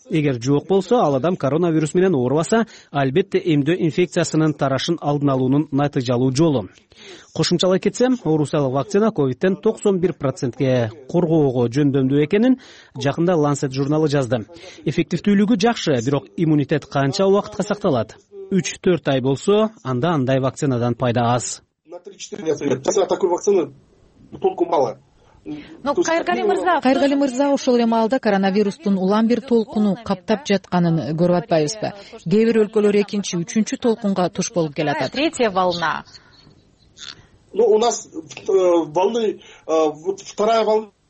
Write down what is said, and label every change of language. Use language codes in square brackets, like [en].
[ky] Эгер жок болсо, ал адам коронавирус менен оорубаса, албетте эмдөө инфекциясынын тарашын алдын алуунун натыйжалуу жолу. Кошумчалай кетсем, орусиялык вакцина ковидтен 91%ге коргоого жөндөмдүү экенин жакында Lancet журналы жазды. Эффективдүүлүгү жакшы, бирок иммунитет канча убакытка сакталат? 3-4 ай болсо, анда андай вакцинадан пайда аз. [ru] На 3-4 дня сойдет. Такой вакцины толку мало. [ky] Кайыргали мырза, ошол эле маалда коронавирустун улам бир толкуну каптап жатканын көрүп атпайбызбы? Кээ бир өлкөлөр 2-3 толкунга туш болуп келатат. [ru] Третья волна. Ну, у нас волны, вот вторая волна.